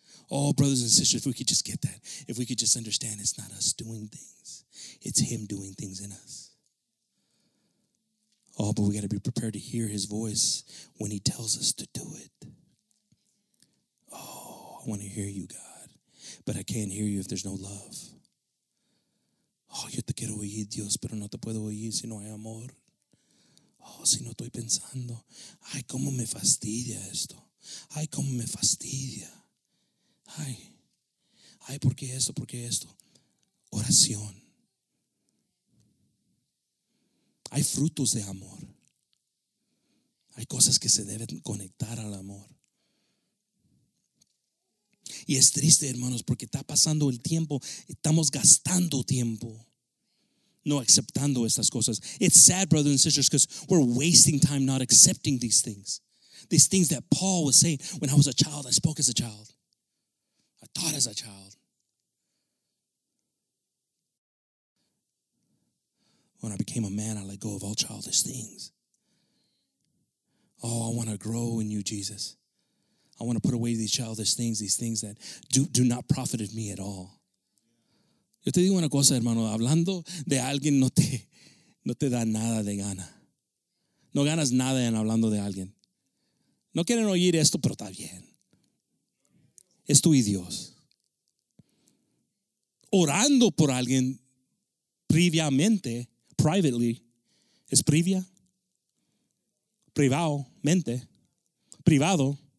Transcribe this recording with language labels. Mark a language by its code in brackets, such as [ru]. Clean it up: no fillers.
[en] Oh, brothers and sisters, if we could just get that, if we could just understand it's not us doing things, it's him doing things in us. Oh, but we got to be prepared to hear his voice when he tells us to do it. Oh, I want to hear you, God, but I can't hear you if there's no love. [es] Oh, yo te quiero oír, Dios, pero no te puedo oír si no hay amor. Oh, si no estoy pensando, ay, cómo me fastidia esto. Ay, cómo me fastidia. Ay, ay, ¿por qué esto? ¿Por qué esto? Oración. Hay frutos de amor. Hay cosas que se deben conectar al amor. Y es triste, hermanos, porque está pasando el tiempo. Estamos gastando tiempo. No aceptando estas cosas. [en] It's sad, brothers and sisters, because we're wasting time not accepting these things. These things that Paul was saying, when I was a child, I spoke as a child. I thought as a child. When I became a man, I let go of all childish things. Oh, I want to grow in you, Jesus. I want to put away these childish things, these things that do not profit me at all. [es] Yo te digo una cosa, hermano, hablando de alguien no te da nada de gana. No ganas nada en hablando de alguien. No quieren oír esto, pero está bien. Es tú y Dios. Orando por alguien previamente, privately, es previa, privado, mente, privado.